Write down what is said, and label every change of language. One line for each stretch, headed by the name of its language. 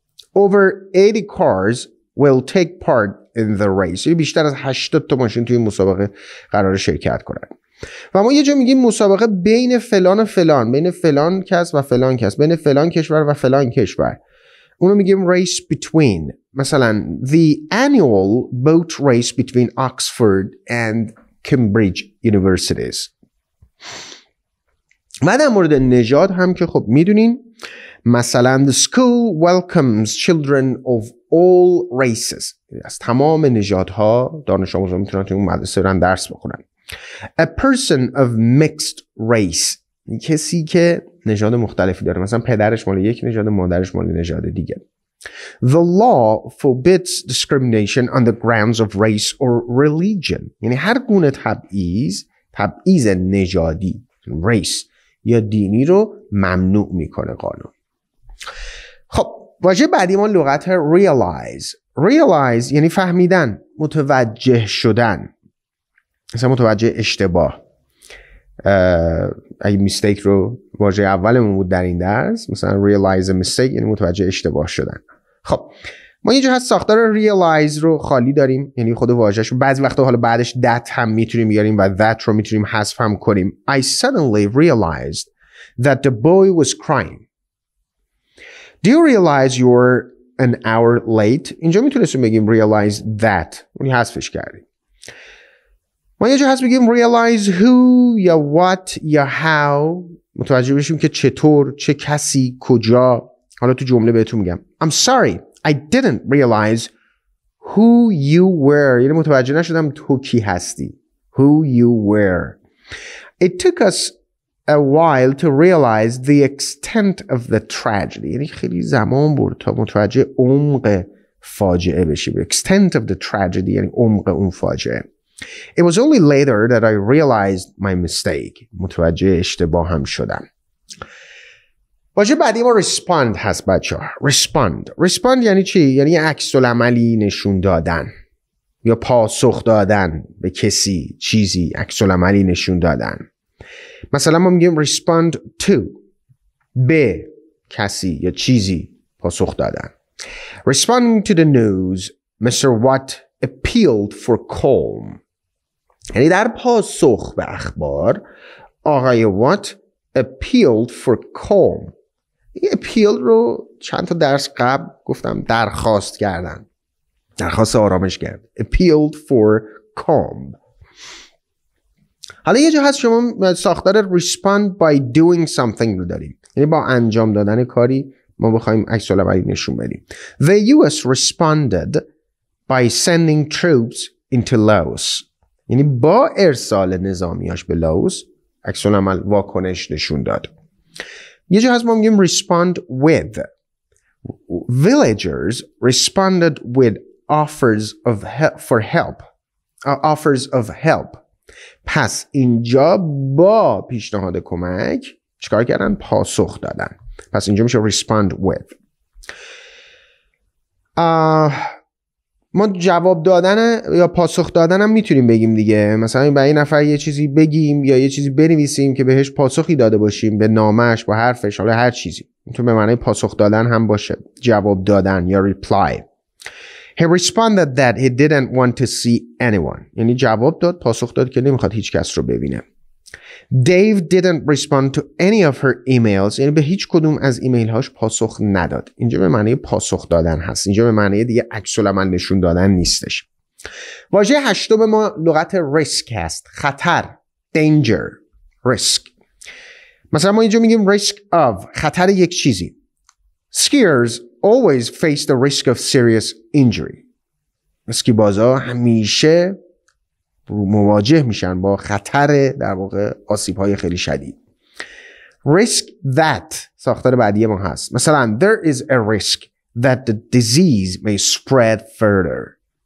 English: over 80 cars will take part in the race،
Persian: یعنی بیشتر از 80 تا ماشین توی مسابقه قرار شرکت کنند. و ما یه جا میگیم مسابقه بین فلان و فلان، بین فلان کس و فلان کس، بین فلان کشور و فلان کشور، اونو میگیم
English: race between. مثلا the annual boat race between Oxford and Cambridge universities.
Persian: بعد در مورد نژاد هم که خب میدونین، مثلا
English: the school welcomes children of all races.
Persian: از تمام نژادها دانش آموزا میتونن توی اون مدرسه برن درس بخونن.
English: A person of mixed race.
Persian: کسی که نژاد مختلفی داره، مثلا پدرش مال یک نژاد، مادرش مال نژاد دیگه.
English: The law forbids discrimination on the grounds of race or religion.
Persian: یعنی هر گونه تبعیض، تبعیض نژادی، race یا دینی رو ممنوع میکنه قانون. خب واژه بعدی ما لغت realize. Realize یعنی فهمیدن، متوجه شدن، مثلا متوجه اشتباه. اگه mistake رو واژه اولمون بود در این درس، مثلا
English: realize a mistake
Persian: یعنی متوجه اشتباه شدن. خب ما یه جور هست ساختار realize رو خالی داریم، یعنی خود واژهش، بعضی وقتا حالا بعدش that هم میتونیم بیاریم و that رو میتونیم حذف هم کنیم.
English: I suddenly realized that the boy was crying. Do you realize you're an hour late?
Persian: اینجا میتونستیم بگیم realize that، اونی حذفش کردیم. ما یه جا هست بگیم realize who یا what یا how، متوجه بشیم که چطور، چه کسی، کجا. حالا تو جمله بهتون میگم
English: I'm sorry I didn't realize who you were.
Persian: یعنی متوجه نشدم تو کی هستی.
English: Who you were. It took us a while to realize the extent of the tragedy.
Persian: یعنی خیلی زمان برد تا متوجه عمق فاجعه بشیم.
English: Extent of the tragedy
Persian: یعنی عمق اون فاجعه.
English: It was only later that I realized my mistake.
Persian: متوجه اشتباهم شدم. واژه بعدی ما respond هست بچه ها. Respond. Respond یعنی چی؟ یعنی عکس العملی نشون دادن یا پاسخ دادن به کسی، چیزی عکس العملی نشون دادن. مثلا ما میگیم respond to، به کسی یا چیزی پاسخ دادن.
English: Responding to the news, Mr. Watt appealed for calm.
Persian: یعنی در پاسخ به اخبار آقای وات
English: appealed for calm.
Persian: این اپیل رو چند تا درس قبل گفتم درخواست کردن، درخواست آرامش کرد.
English: appealed for calm.
Persian: حالا یه جا هست شما ساختار
English: respond by doing something
Persian: رو داریم، یعنی با انجام دادن کاری ما بخوایم عکس العملی نشون بدیم.
English: The US responded by sending troops into Laos.
Persian: یعنی با ارسال نظامیاش به لاوس عکس العمل واکنش نشون داد. یه جا هست ما میگیم
English: respond with. Villagers responded with offers of for help. Offers of help.
Persian: پس اینجا با پیشنهاد کمک چیکار کردن؟ پاسخ دادن. پس اینجا میشه respond with. ما جواب دادن یا پاسخ دادن هم میتونیم بگیم دیگه. مثلا به این نفر یه چیزی بگیم یا یه چیزی بنویسیم که بهش پاسخی داده باشیم، به نامش، با حرفش، حالا هر چیزی. میتونه به معنی پاسخ دادن هم باشه، جواب دادن یا reply.
English: He responded that he didn't want to see anyone.
Persian: یعنی جواب داد، پاسخ داد که نمیخواد هیچ کس رو ببینه.
English: Dave didn't respond to any of her emails.
Persian: یعنی به هیچ کدوم از ایمیل هاش پاسخ نداد. اینجا به معنی پاسخ دادن هست، اینجا به معنی دیگه عکس العمل نشون دادن نیستش. واژه هشتم ما لغت risk هست، خطر، danger. risk مثلا ما اینجا میگیم risk of، خطر یک چیزی.
English: Skiers always face the risk of serious injury.
Persian: اسکی بازا همیشه مواجه میشن با خطر در واقع آسیب‌های خیلی شدید. risk that ساختار بعدی ما هست.
English: مثلا there is a risk that the disease may spread further.